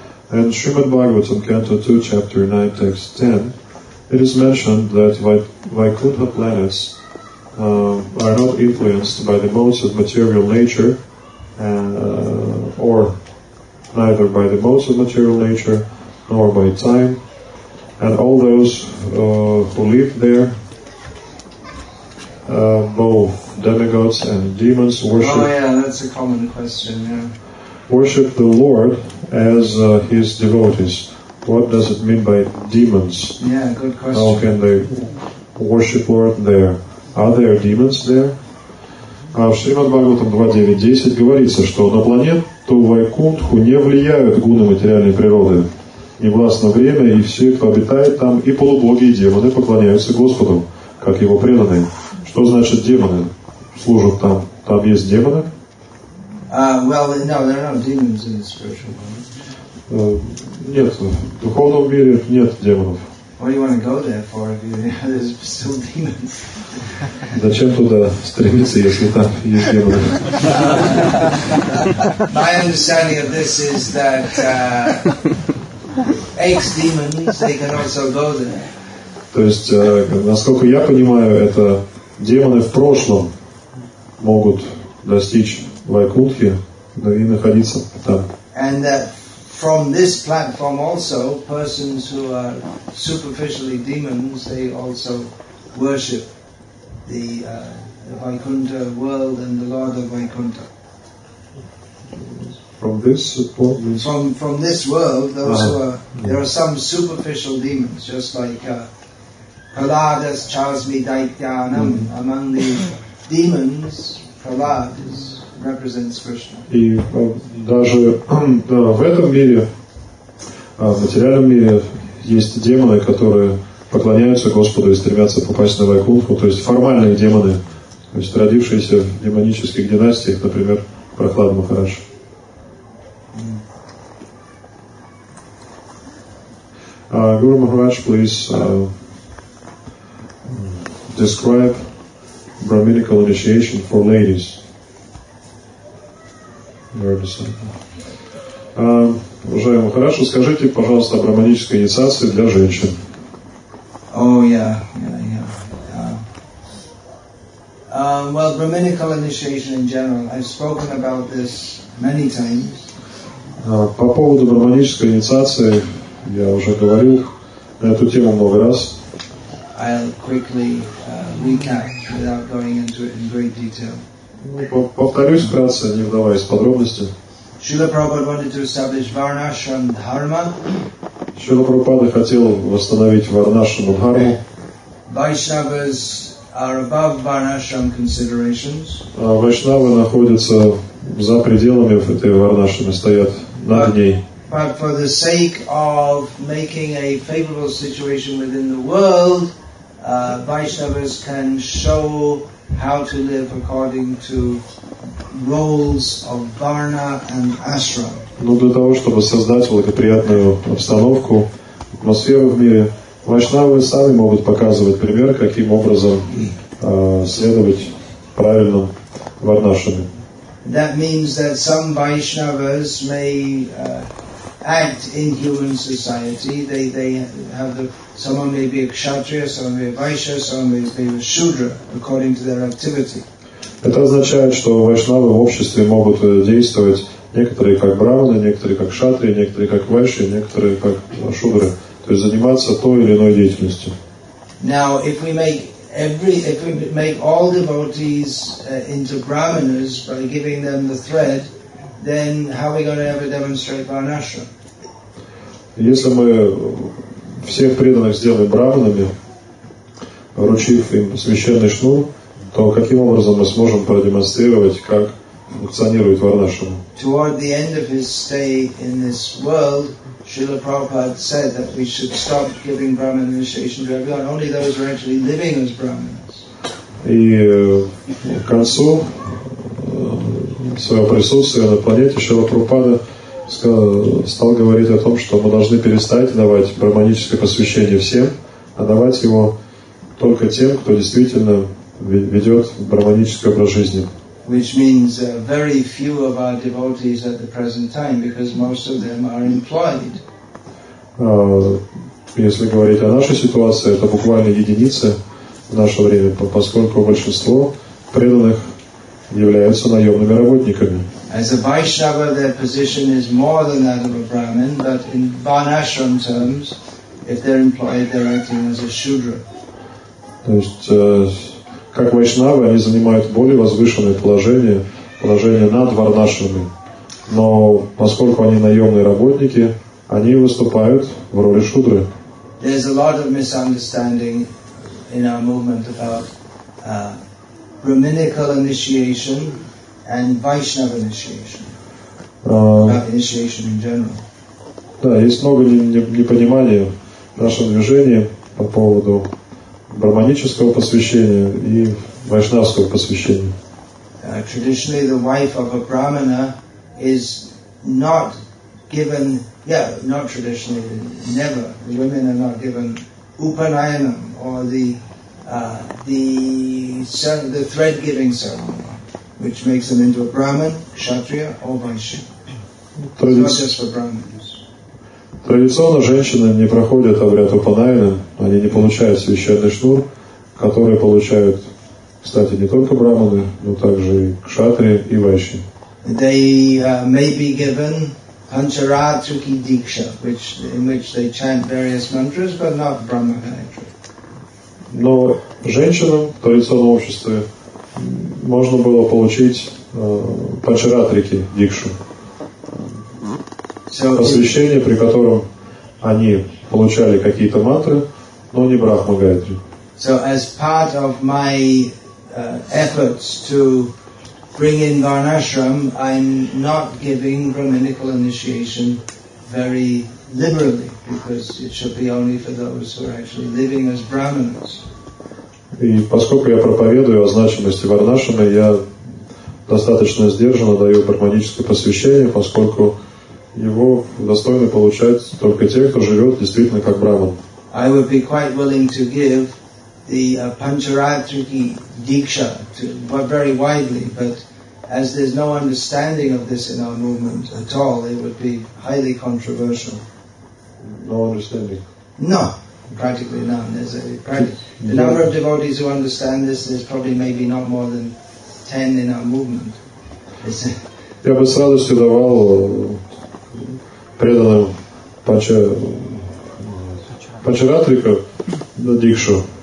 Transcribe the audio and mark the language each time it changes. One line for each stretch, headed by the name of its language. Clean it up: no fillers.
English: And Srimad Bhagavatam, Canto 2, Chapter 9, Text 10, it is mentioned that Vaikuntha planets are not influenced by the modes of material nature, or neither by the modes of material nature nor by time, and all those who live there, both demigods and demons, worship. Oh yeah, that's a common question. Yeah. Worship the Lord as his devotees. What does it mean by demons? Yeah, good question. How can they worship Lord there? Are there demons there?
Russian: А в Шримад Бхагаватам 2.9.10 говорится, что на планету Вайкунтху не влияют гуны материальной природы. Не властно время, и все, кто обитает там, и полубоги, и демоны поклоняются Господу, как его преданные. Что значит демоны служат там? Там есть демоны? Нет, в духовном мире нет демонов.
English: What do you want to go there for if there's still demons?
Russian: Зачем туда стремиться, если там есть демоны?
English: My understanding of this is that ex-demons, they can also go there.
Russian: То есть, насколько я понимаю, это демоны в прошлом могут достичь Вайкунтхи и находиться там.
English: And that from this platform also, persons who are superficially demons, they also worship the Vaikuntha world and the Lord of Vaikuntha. From this world, there are some superficial demons, just like Prahlada's Chasmi Daityanam. Mm-hmm. Among the demons, Prahlad is.
Russian: И даже в этом мире, в материальном мире, есть демоны, которые поклоняются Господу и стремятся попасть на Вайкунтху, то есть формальные демоны, то есть родившиеся в демонических династиях, например, Прахлад Махарадж.
English: Гуру Махарадж, please describe Brahminical initiation for ladies.
Russian: Уважаемый Махарадж, скажите, пожалуйста, о брахманической инициации для женщин.
English: Well, brahminical initiation in general, I've spoken about this many times.
Russian: По поводу брахманической инициации я уже говорил на эту тему много раз.
English: I'll quickly recap without going into it in great detail.
Russian: Повторюсь вкратце, не вдаваясь в подробности.
English: Шрила Прабхупада wanted to establish Varnashram Dharma.
Russian: Шрила Прабхупада хотел восстановить Варнашраму Дхарму.
English: Vaishnavas are above Varnashram considerations.
Russian: Вайшнавы находятся за пределами этой Варнашрамы, стоят над ней.
English: But for the sake of making a favorable situation within the world, Vaishnavas can show how to live according to roles of Varna and Ashram.
Russian: Ну, для того, чтобы создать благоприятную обстановку, атмосферу в мире, вайшнавы сами могут показывать пример, каким образом следовать правильно Варнашраме.
English: That means that some Vaishnavas may act in human society. They have the someone may be a kshatriya, someone may be a vaishya, someone may be a shudra, according to their activity.
Russian: Это означает, что вайшнавы в обществе могут действовать некоторые как брахманы, некоторые как кшатрии, некоторые как вайши, некоторые как шудры, то есть заниматься той или иной деятельностью.
English: Now, if we make all devotees into brahmanas by giving them the thread, then how are we going to ever demonstrate varnashram?
Russian: Если мы всех преданных сделаем брахманами, вручив им священный шнур, то каким образом мы сможем продемонстрировать, как функционирует варнашрама?
English: Toward the end of his stay in this world, Srila Prabhupada said that we should stop giving brahman initiation to everyone, only those who are actually living as brahmanas.
Russian: И к концу своего присутствия на планете Шрила Прабхупада стал говорить о том, что мы должны перестать давать брахманическое посвящение всем, а давать его только тем, кто действительно ведет брахманический образ жизни.
English: Which means very few of our devotees at the present time, because most of them are employed.
Russian: Если говорить о нашей ситуации, это буквально единицы в наше время, поскольку большинство преданных являются наемными работниками.
English: As a Vaishnava, their position is more than that of a Brahmin, but in Varnashram terms, if they're employed, they're acting as a Shudra.
Russian: То есть, как Вайшнавы, они занимают более возвышенное положение, положение над Варнашрамами. Но поскольку они наемные работники, они выступают в роли Шудры.
English: There's a lot of misunderstanding in our movement about Brahminical initiation and Vaishnava initiation. Initiation in general.
Russian: Да, есть много непонимания нашего движения по поводу брахманического посвящения и вайшнавского посвящения.
English: Traditionally, the wife of a brahmana is not given, the women are not given upanayanam or the thread-giving ceremony, which makes them into a brahman, kshatriya, or vaishya. It's not just for brahmanas.
Russian: Традиционно женщины не проходят обряд упанайана, они не получают священный шнур, который получают, кстати, не только брахманы, но также и кшатри, и вайши.
English: They may be given pancharatruki diksha, in which they chant various mantras, but not brahma gayatri.
Russian: Но женщинам в традиционном обществе можно было получить пачаратрики дикшу. Посвящение, при котором они получали какие-то мантры, но не брахма гайдри.
English: So as part of my efforts to bring in Varnashram, I'm not giving brahminical initiation very liberally, because it should be only for those who are actually living as brahmanas.
Russian: И поскольку я проповедую о значимости Варнашрама, я достаточно сдержанно даю брахманическое посвящение, поскольку его достойно получать только те, кто живет действительно как браман.
English: I would be quite willing to give the pancharatriki diksha very widely, but as there's no understanding of this in our movement at all, it would be highly controversial. No understanding. No, practically none. There's the number of devotees who understand this is probably maybe not more than 10 in our movement.
Russian: Я бы с радостью давал преданным пачаратрика на дикшу.